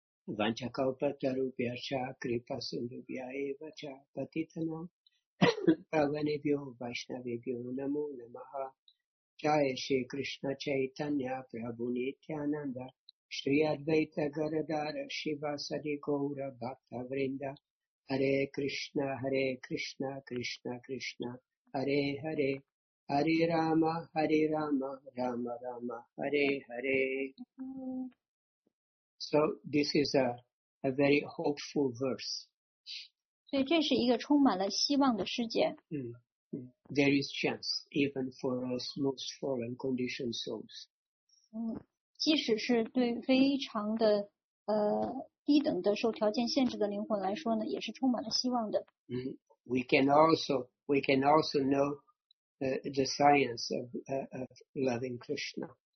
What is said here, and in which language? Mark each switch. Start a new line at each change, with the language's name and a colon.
Sanskrit: Vanchakalpatarubhyascha Kripa Sindhubhyaya Vacha Patitana Pravanebhyo Vaishnavebhyo Namo Namaha Jaya Shri Krishna Chaitanya Prabhu Nityananda Shri Advaita Garadara Shivasadi Gaura Bhakta Vrinda Hare Krishna Krishna Krishna Hare Hare Hare Rama Rama Rama Hare Hare.
English: So this is a very hopeful verse.
Chinese: 所以这是一个充满了希望的世界。
English: There is chance even for us most fallen conditioned souls.
Chinese: 即使是对非常低等的受条件限制的灵魂来说呢，也是充满了希望的。
English: We can also know the science of loving Krishna.